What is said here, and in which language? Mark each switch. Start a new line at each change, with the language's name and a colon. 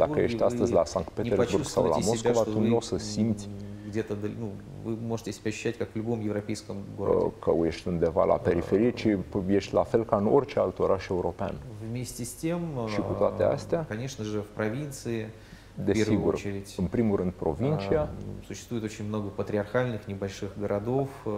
Romanian: Dacă ești astăzi la Sankt Petersburg sau la Moscova, tu nu o să simți
Russian: где-то, ну, вы можете себя ощущать, как в любом европейском городе.
Romanian: Că ești undeva la periferie, ci ești la fel ca în orice alt oraș european.
Russian: Вместе с тем,
Romanian: și cu toate astea,
Russian: конечно же, в провинции,
Romanian: desigur,
Russian: в первую очередь,
Romanian: în primul rând, provincia,
Russian: существует очень много патриархальных небольших городов.